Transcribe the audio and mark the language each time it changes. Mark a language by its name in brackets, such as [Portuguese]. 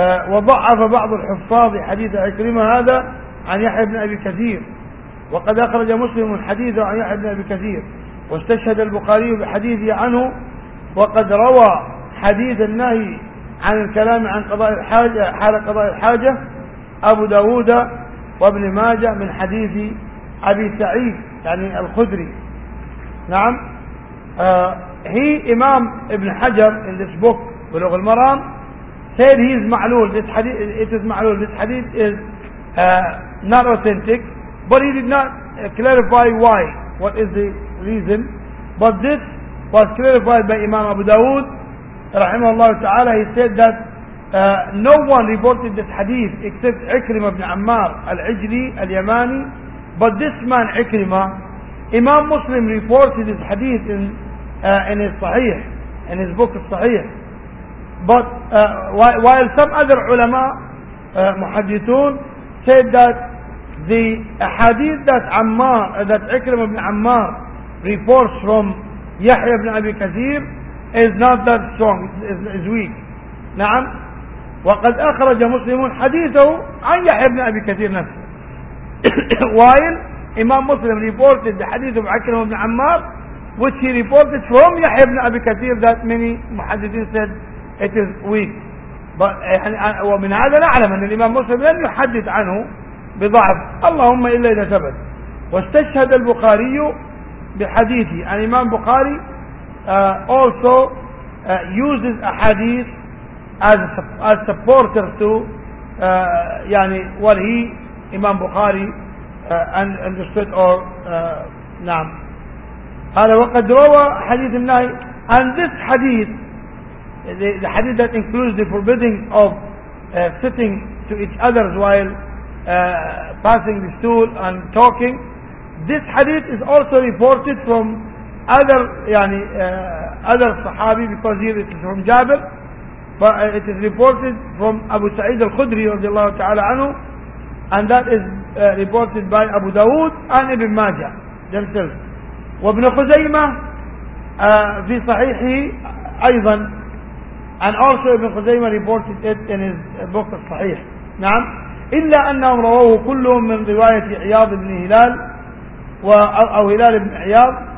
[Arabic] وضعف بعض الحفاظ حديث عكرمة هذا عن يحيى بن أبي كثير، وقد أخرج مسلم حديثه عن يحيى بن أبي كثير، واستشهد البخاري بحديثه عنه، وقد روى حديث النهي عن الكلام عن قضاء الحاجة حال قضاء الحاجة أبو داود وابن ماجه من حديث أبي سعيد يعني الخدري نعم. [English] هي إمام ابن حجر in this book بلوغ المرام said he is معلول، this حديث it is معلول، this حديث is not authentic but he did not clarify why what is the reason but this was clarified by إمام أبو داود رحمه الله تعالى. He said that no one reported this hadith except عكرمة بن عمار العجلي اليماني but this man عكرمة Imam Muslim reported this hadith in his صحيح in his book الصحيح but while some other علماء محدثون said that the hadith that عمار that عكرمة بن عمار reports from يحيى بن أبي كثير is not that strong is weak نعم. [Arabic] وقد أخرج مسلمون حديثه عن يحيى بن أبي كثير نفسه [English] while إمام مسلم reported the حديث عن عكرمة بن عمار which he reported from يحيى بن أبي كثير that many محدثين said it is weak [Arabic] يعني ومن هذا نعلم أن الإمام مسلم لم يحدث عنه بضعف اللهم إلا إذا ثبت. واستشهد البخاري بحديثه عن [English] إمام بخاري also uses a hadith as supporter to يعني what he Imam Bukhari understood or نعم. [Arabic] قال وقد روى حديث النهي [English] and this hadith the hadith that includes the forbidding of sitting to each other while passing the stool and talking this hadith is also reported from other يعني other صحابي because here it is from Jabir but it is reported from Abu Sa'id al-Khudri رضي الله تعالى عنه and that is reported by Abu Dawood and Ibn Majah themselves. [Arabic] وابن خزيمة في صحيحه أيضا [English] and also ابن خزيمة reported it in his book [Arabic] الصحيح نعم. إلا أنهم رووه كلهم من رواية عياض بن هلال أو هلال بن عياض.